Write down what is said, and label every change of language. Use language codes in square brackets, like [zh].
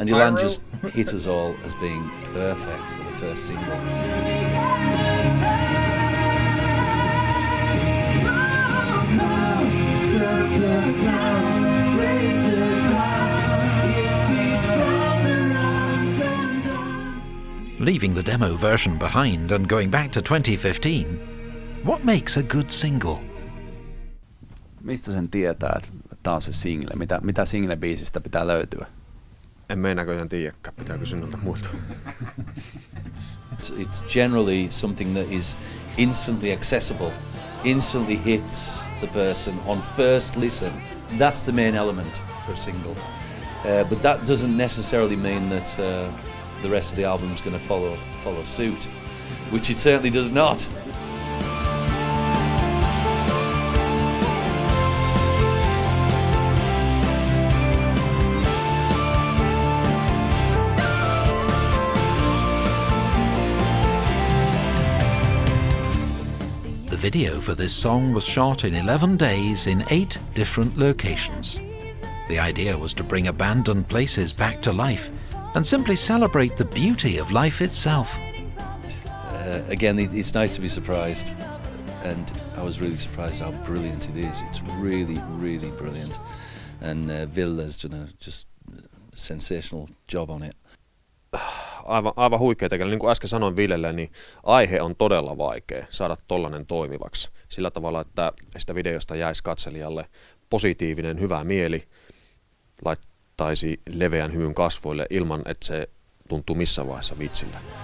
[en] And Elan just hit us all as being perfect for the first single. Leaving the demo version behind and going back to 2015, what makes a good single? [fi] Mistä sen tietää, että tämä on se single? Mitä single-biisistä pitää löytyä? En meidän näköjään tiedäkään, pitääkö sinulta muilta. [en] It's generally something that is instantly accessible, instantly hits the person on first listen. That's the main element for a single. But that doesn't necessarily mean that the rest of the album is going to follow suit, which it certainly does not. The video for this song was shot in 11 days in 8 different locations. The idea was to bring abandoned places back to life and simply celebrate the beauty of life itself. Again, it's nice to be surprised, and I was really surprised how brilliant it is. It's really, really brilliant, and Ville has done a just sensational job on it. [fi] Aivan huikeeta, eli niin kuin äsken sanoin Villelle, niin aihe on todella vaikea saada tollainen toimivaksi sillä tavalla, että sitä videosta jäisi katselijalle positiivinen, hyvä mieli, laittaisi leveän hymyn kasvoille ilman, että se tuntuu missään vaiheessa vitsiltä.